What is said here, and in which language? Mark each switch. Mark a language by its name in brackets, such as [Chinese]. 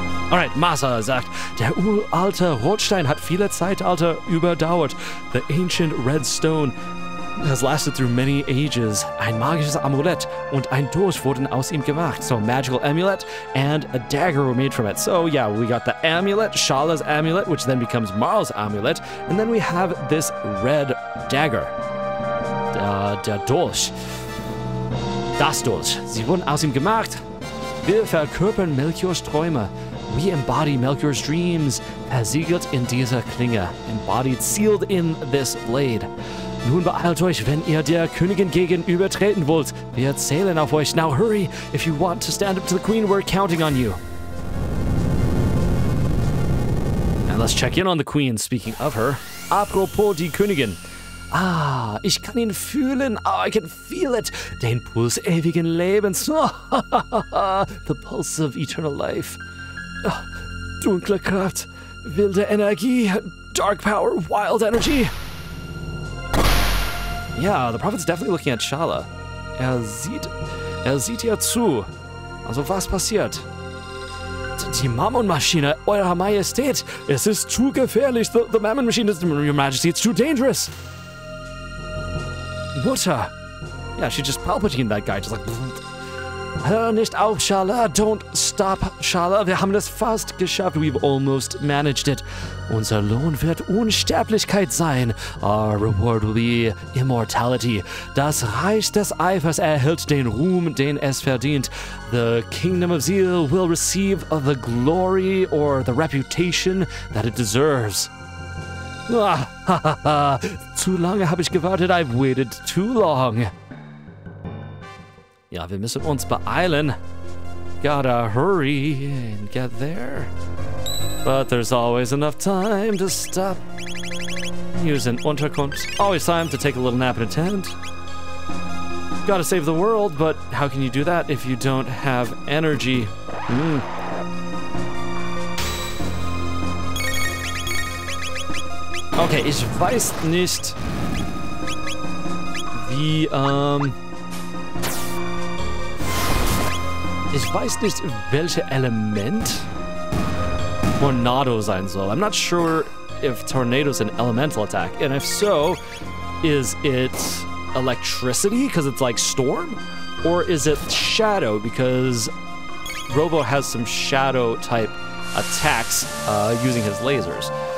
[German] Alright, Masa sagt, der uralte Rotstein hat viele Zeitalter überdauert. [English] The ancient red stone has lasted through many ages. [German] Ein magisches Amulett und ein Dolch wurden aus ihm gemacht. [English] So, magical amulet and a dagger were made from it. So, yeah, we got the amulet, Schala's amulet, which then becomes Marl's amulet. And then we have this red dagger. [German] Der Dolch. Das Dolch. Sie wurden aus ihm gemacht. Wir verkörpern Melchior's Träume. [English] We embody Melchior's dreams. [German] Versiegelt in dieser Klinge. [English] Embodied, sealed in this blade. [German] Nun beeilt euch, wenn ihr der Königin gegenübertreten wollt. Wir zählen auf euch. [English] Now hurry, if you want to stand up to the queen, we're counting on you. And let's check in on the queen, speaking of her. [German] Apropos die Königin. Ah, ich kann ihn fühlen. [English] Oh, I can feel it. [German] Den Puls ewigen Lebens. [English] The pulse of eternal life. [German] Oh, dunkle Kraft. Wilde Energie. [English] Dark power. Wild energy. Yeah, the Prophet's definitely looking at Schala. [German] Er sieht ihr zu. Also, was passiert? Die Mammon-Maschine, Eurer Majestät, es ist zu gefährlich. [English] The Mammon-Machine is, Your Majesty, it's too dangerous. Mutter. Yeah, she's just palpating that guy, just like... [German] Bleh. Hör nicht auf, Schala. [English] Don't stop, Schala. [German] Wir haben es fast geschafft. [English] We've almost managed it. [German] Unser Lohn wird Unsterblichkeit sein. [English] Our reward will be immortality. [German] Das Reich des Eifers erhält den Ruhm, den es verdient. [English] The Kingdom of Zeal will receive the glory or the reputation that it deserves. [German] Zu lange habe ich gewartet. [English] I've waited too long. [German] Ja, wir müssen uns beeilen. [English] Gotta hurry and get there. But there's always enough time to stop. Use an Unterkunft. Always time to take a little nap in a tent. Gotta save the world, but how can you do that if you don't have energy? [German] Okay, ich weiß nicht, wie, ich weiß nicht, welche Element Tornado sein soll. [English] I'm not sure if Tornado is an elemental attack. And if so, is it electricity because it's like storm? Or is it shadow because Robo has some shadow type attacks using his lasers.